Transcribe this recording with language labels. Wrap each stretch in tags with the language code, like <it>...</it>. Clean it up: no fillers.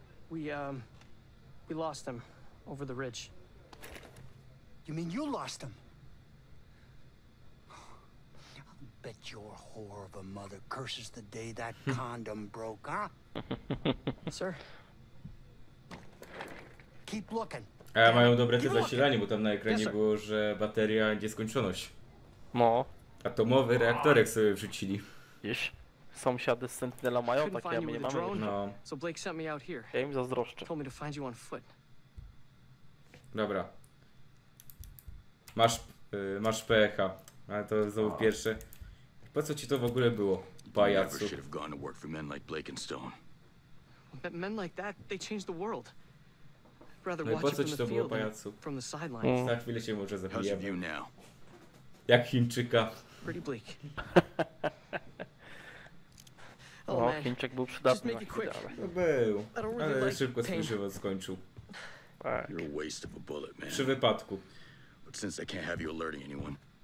<en>We lost him over the ridge. You mean you lost him? Bet your whore of a mother curses the day that condom broke, huh? Sir? Keep looking.</en> <pl>A mają dobre te zasilanie, bo tam na ekranie było, że bateria nieskończoność. No. Atomowy reaktorek sobie wrzucili. Wiesz, sąsiady z Sentinela mają takie, a my nie mamy. No.</pl> <en>So Blake sent me out here.</en> <pl>Ja im zazdroszczę.</pl> <en>Told me to find you on foot.</en> <pl>Dobra. Masz, masz PH. Ale to znowu pierwsze. Po co ci to w ogóle było, pajacu?</pl> <en>Men like Blake and Stone. Men like that, they changed the world.</en> <pl>No i po co ci to było, pajacu? Za chwilę cię może zabijemy. Jak Chińczyka.</pl> <en>Pretty bleak.</en> <pl>No, Chińczyk był przydatny. No był, ale szybko swój żywot skończył.</pl> <en>You're a waste of a bullet, man.</en> <pl>Przy wypadku.</pl> <en>But since I can't have you alerting anyone.</en>